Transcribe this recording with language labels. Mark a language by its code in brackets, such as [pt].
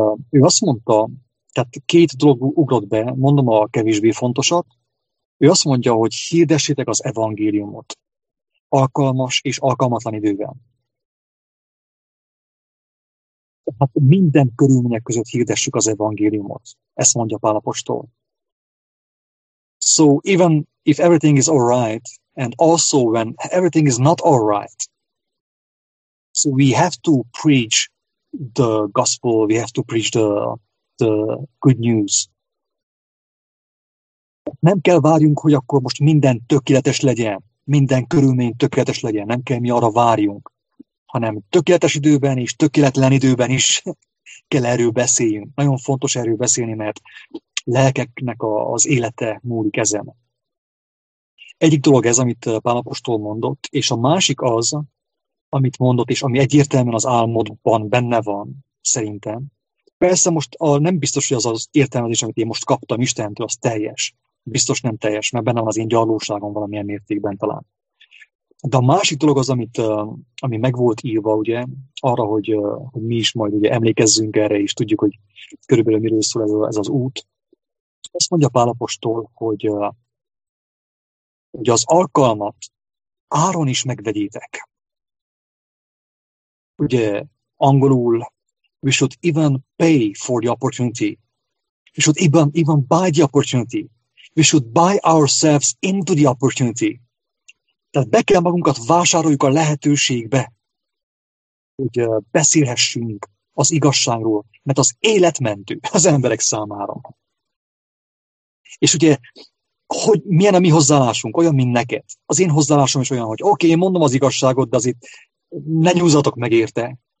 [hu] Ő azt mondta, tehát két dolog ugrott be, mondom a kevésbé fontosat. Ő azt mondja, hogy hirdessétek az evangéliumot alkalmas és alkalmatlan idővel. Hát minden körülmények között hirdessük az evangéliumot, ezt mondja Pál apostol. [en] So even if everything is all right, and also when everything is not all right, so we have to preach the gospel, we have to preach the good news. [hu] Nem kell várjunk, hogy akkor most minden tökéletes legyen. minden körülmény tökéletes legyen, nem kell, mi arra várjunk, hanem tökéletes időben és tökéletlen időben is kell erről beszéljünk. Nagyon fontos erről beszélni, mert lelkeknek az élete múlik ezen. Egyik dolog ez, amit Pál apostol mondott, és a másik az, amit mondott, és ami egyértelműen az álmodban benne van, szerintem. Persze most nem biztos, hogy az az értelmezés, amit én most kaptam Istentől, az teljes. Biztos nem teljes, mert benne van az én gyarlóságom valamilyen mértékben talán. De a másik dolog az, ami meg volt írva, ugye, arra, hogy mi is majd ugye emlékezzünk erre, és tudjuk, hogy körülbelül miről szól ez az út. Azt mondja Pál apostol, hogy az alkalmat áron is megvegyétek. Ugye angolul, [en] we should even pay for the opportunity. We should even buy the opportunity. We should buy ourselves into the opportunity. [hu] Tehát be kell magunkat vásároljuk a lehetőségbe, hogy beszélhessünk az igazságról, mert az életmentő az emberek számára. És ugye, hogy milyen a mi hozzáállásunk, olyan, mint neked. Az én hozzáállásom is olyan, hogy oké, én mondom az igazságot, de azért ne nyúzzatok meg érte.